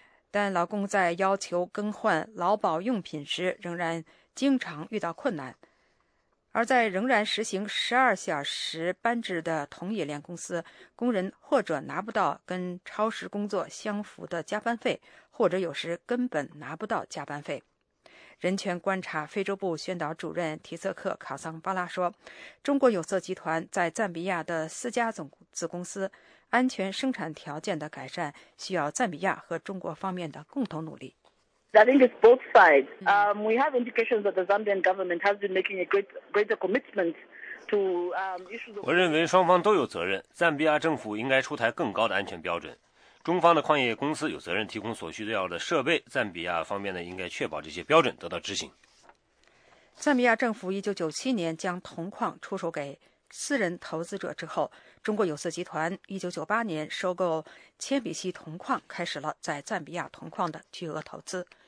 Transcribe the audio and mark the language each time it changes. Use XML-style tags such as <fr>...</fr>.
<zh>但劳工在要求更换劳保用品时仍然经常遇到困难，而在仍然实行12小时班制的铜冶炼公司，工人或者拿不到跟超时工作相符的加班费，或者有时根本拿不到加班费。人权观察非洲部宣导主任提瑟克卡桑巴拉说，中国有色集团在赞比亚的四家总子公司安全生产条件的改善需要赞比亚和中国方面的共同努力。</zh> <en>I think it's both sides. We have indications that the Zambian government has been making a greater commitment to issues.</en> <zh>我认为双方都有责任，赞比亚政府应该出台更高的安全标准。中方的矿业公司有责任提供所需要的设备，赞比亚方面呢应该确保这些标准得到执行。赞比亚政府1997年将铜矿出售给私人投资者之后，中国有色集团1998年收购铅笔烯铜矿，开始了在赞比亚铜矿的巨额投资。</zh>